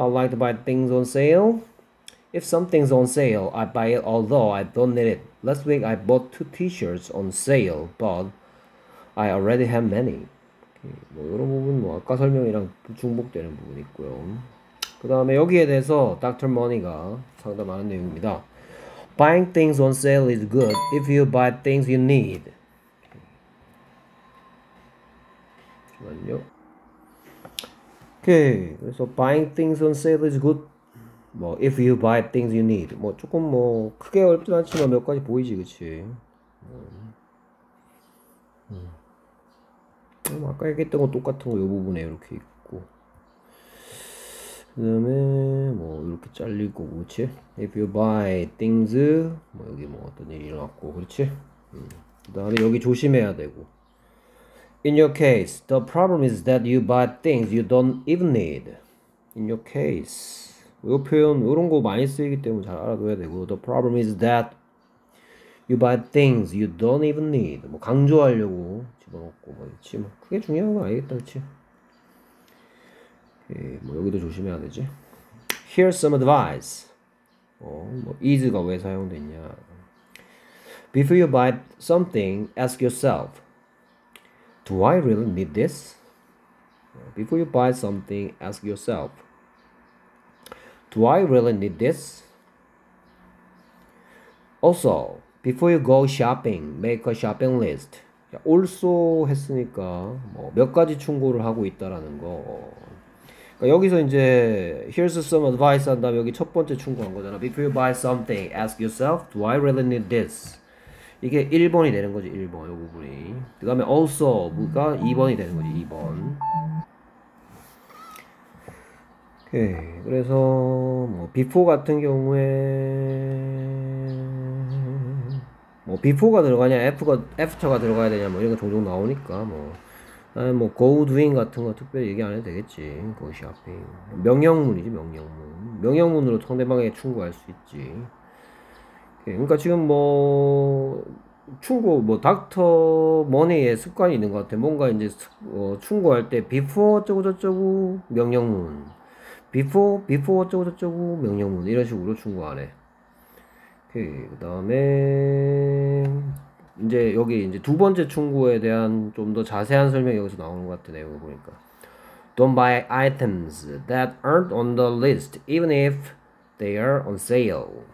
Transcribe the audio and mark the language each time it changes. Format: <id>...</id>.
<en>I like to buy things on sale. If something's on sale, I buy it although I don't need it. Last week I bought two t-shirts on sale, but I already have many.</en> <ko>뭐 이런 부분 뭐 아까 설명이랑 중복되는 부분이 있고요. 그다음에 여기에 대해서 닥터 머니가 상담하는 내용입니다.</ko> <en>Buying things on sale is good if you buy things you need.</en> <ko>잠시만요. 오케이. 그래서</ko> <en>buying things on sale is good. 뭐 if you buy things you need.</en> <ko>뭐 조금 뭐 크게 어렵진 않지만 몇 가지 보이지, 그치? 아까 얘기했던 거 똑같은 거요 부분에 이렇게 있고. 그다음에 뭐 이렇게 잘릴 거고, 그치?</ko> <en>If you buy things</en> <ko>뭐 여기 뭐 어떤 일이 일어났고, 그렇지? 그다음에 여기 조심해야 되고.</ko> <en>In your case, the problem is that you buy things you don't even need. In your case,</en> <ko>요 표현 요런 거 많이 쓰이기 때문에 잘 알아둬야 되고,</ko> <en>the problem is that you buy things you don't even need.</en> <ko>뭐 강조하려고 집어넣고 뭐 있지. 뭐 그게 중요한 거 아니겠다, 그치? 예, 뭐 여기도 조심해야 되지.</ko> <en>Here's some advice.</en> <ko>뭐 is가 왜 사용됐냐?</ko> <en>Before you buy something, ask yourself. Do I really need this? Before you buy something, ask yourself, Do I really need this? Also, before you go shopping, make a shopping list.</en> <ko>Also 했으니까 뭐몇 가지 충고를 하고 있다라는 거. 그러니까 여기서 이제</ko> <en>Here's some advice</en> <ko>한 다음에 여기 첫 번째 충고한 거잖아.</ko> <en>Before you buy something, ask yourself, Do I really need this?</en> <ko>이게 1번이 되는 거지, 1번, 요 부분이. 그 다음에 also, 뭐가 2번이 되는 거지, 2번. 오케이. 그래서, 뭐, before 같은 경우에, 뭐, before가 들어가냐, after가 들어가야 되냐, 뭐, 이런 거 종종 나오니까, 뭐. 아니, 뭐, go doing 같은 거 특별히 얘기 안 해도 되겠지. go shopping. 명령문이지, 명령문. 명령문으로 상대방에게 충고할 수 있지. 오케이. 그러니까 지금 뭐, 충고, 뭐, 닥터 머니의 습관이 있는 것 같아. 뭔가 이제, 충고할 때, before 어쩌고저쩌고, 명령문. before 어쩌고저쩌고, 명령문. 이런 식으로 충고하네. 오케이. 그 다음에, 이제 여기 이제 두 번째 충고에 대한 좀더 자세한 설명이 여기서 나오는 것 같아. 내용을 보니까.</ko> <en>Don't buy items that aren't on the list, even if they are on sale.</en>